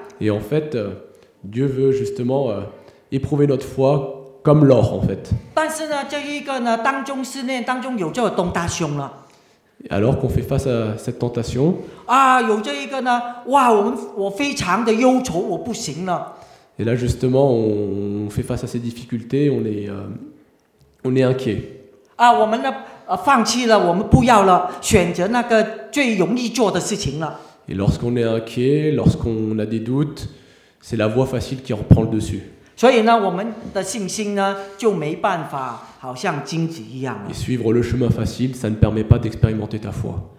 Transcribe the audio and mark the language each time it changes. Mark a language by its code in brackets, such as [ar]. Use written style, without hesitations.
[fr] Et en fait, Dieu veut justement éprouver notre foi comme l'or, en fait. [zh] 但是呢，这一个呢，当中试炼当中有这个动大凶了。 [fr] Alors qu'on fait face à cette tentation. [zh] 啊，有这一个呢，哇，我非常的忧愁，我不行了。 [fr] Et là justement, on fait face à ces difficultés, on est inquiet. [zh] 啊，我们呢，放弃了，我们不要了，选择那个最容易做的事情了。 [fr] Et lorsqu'on est inquiet, lorsqu'on a des doutes, c'est la voie facile qui reprend le dessus. [zh] 所以呢，我们的信心呢，就没办法好像金子一样了。 [fr] Et suivre le chemin facile, ça ne permet pas d'expérimenter ta foi.